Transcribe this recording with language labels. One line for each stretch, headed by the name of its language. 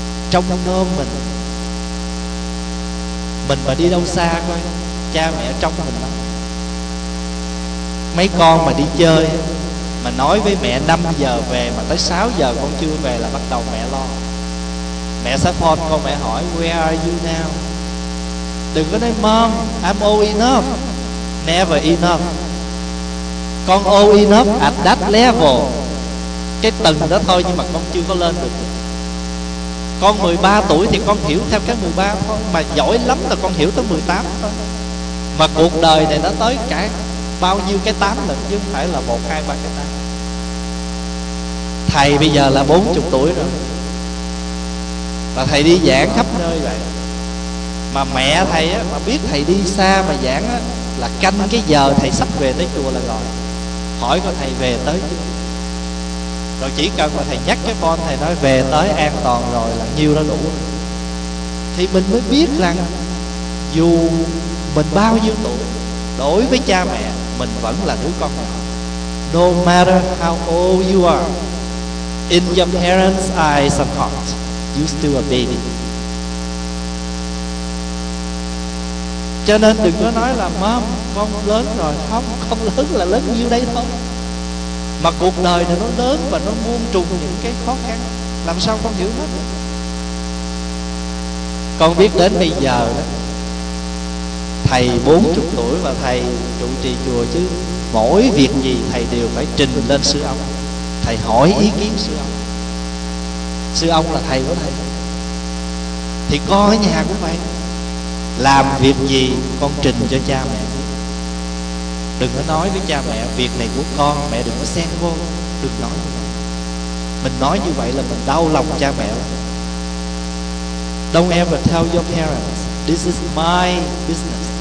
Vietnamese: Trong nôm mình, mình mà đi đâu xa coi, cha mẹ trong mình lắm. Mấy con mà đi chơi mà nói với mẹ 5 giờ về mà tới 6 giờ con chưa về là bắt đầu mẹ lo. Mẹ sẽ phone con, mẹ hỏi
English: where are you now.
Vietnamese: Đừng có nói
English: mom, I'm old enough. Never enough. Con old enough at that level.
Vietnamese: Cái tầng đó thôi, nhưng mà con chưa có lên được. Con 13 tuổi thì con hiểu theo cái 13 thôi, mà giỏi lắm là con hiểu tới 18 thôi. Mà cuộc đời này nó tới cả bao nhiêu cái 8 lần, chứ không phải là 1, 2, 3 cái 8. Thầy bây giờ là 40 tuổi rồi, mà thầy đi giảng khắp nơi vậy. Mà mẹ thầy á, mà biết thầy đi xa mà giảng á, là canh cái giờ thầy sắp về tới chùa là gọi hỏi coi thầy về tới chưa. Rồi chỉ cần mà thầy nhắc cái phone, thầy nói về tới an toàn rồi là nhiêu đó đủ. thì mình mới biết rằng dù mình bao nhiêu tuổi, đối với cha mẹ mình vẫn là đứa con nhỏ.
English: No matter how old you are, in your parents' eyes and heart, you still a baby.
Vietnamese: Cho nên đừng có nói là mom, con lớn rồi. Không, con lớn là lớn nhiêu đấy thôi. Mà cuộc đời này nó lớn và nó muôn trùng những cái khó khăn, làm sao con hiểu hết? Con biết đến bây giờ thầy 40 tuổi và thầy trụ trì chùa, chứ mỗi việc gì thầy đều phải trình lên sư ông, thầy hỏi ý kiến sư ông. Sư ông là thầy của thầy. Thì con ở nhà cũng vậy, làm việc gì con trình cho cha mẹ. Đừng có nói với cha mẹ việc này của con, mẹ đừng có xen vô, đừng nói. Mình nói như vậy là mình đau lòng cha mẹ.
English: Don't ever tell your parents, this is my business.